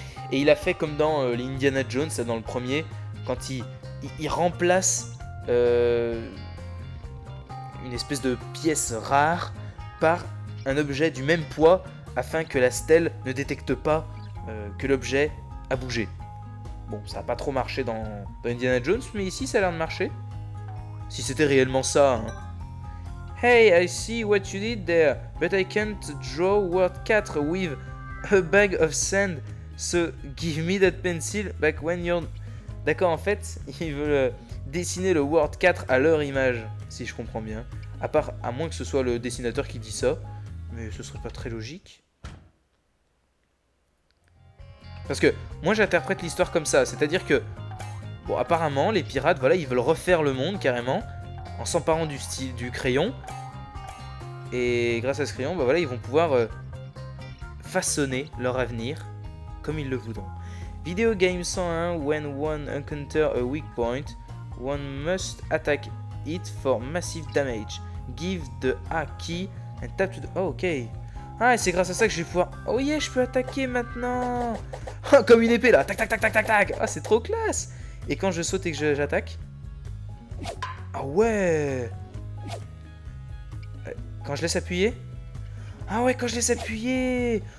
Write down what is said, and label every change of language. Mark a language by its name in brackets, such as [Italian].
[French] Et il a fait comme dans l'Indiana Jones, dans le premier, quand il remplace une espèce de pièce rare par un objet du même poids afin que la stèle ne détecte pas que l'objet a bougé. Bon, ça n'a pas trop marché dans Indiana Jones, mais ici, ça a l'air de marcher. Si c'était réellement ça, hein. [English] Hey, I see what you did there, but I can't draw word 4 with a bag of sand. So, give me that pencil back when you're... [French] D'accord, en fait, il veut dessiner le Word 4 à leur image, si je comprends bien. À moins que ce soit le dessinateur qui dit ça, mais ce serait pas très logique. Parce que, moi, j'interprète l'histoire comme ça, c'est-à-dire que... Bon, apparemment, les pirates, voilà, ils veulent refaire le monde, carrément, en s'emparant du style du crayon. Et grâce à ce crayon, bah voilà, ils vont pouvoir façonner leur avenir comme ils le voudront. [English] Video game 101, when one encounters a weak point, one must attack it for massive damage. Give the A key and tap to the... Oh, ok. [French] Ah, c'est grâce à ça que je vais pouvoir... Oh yeah, je peux attaquer maintenant. Comme une épée, là. Tac, tac, tac, tac, tac, tac. Ah, c'est trop classe. Et quand je saute et que j'attaque... Ah ouais. Quand je laisse appuyer... Ah ouais, quand je laisse appuyer...